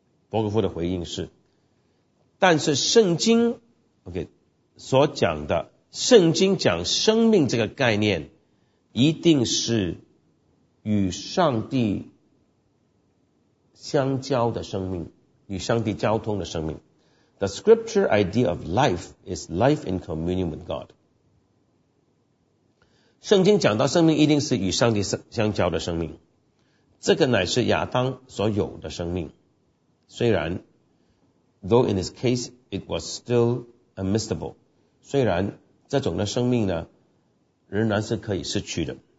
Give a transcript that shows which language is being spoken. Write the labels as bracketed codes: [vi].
[zh] 伯格夫的回应是，但是圣经 OK 所讲的，圣经讲生命这个概念一定是与上帝相交的生命，与上帝交通的生命。 [en] The scripture idea of life is life in communion with God. [zh] 圣经讲到生命一定是与上帝相交的生命，这个乃是亚当所有的生命。虽然 [en] though in his case it was still unmissable， [zh] 虽然这种的生命呢仍然是可以失去的。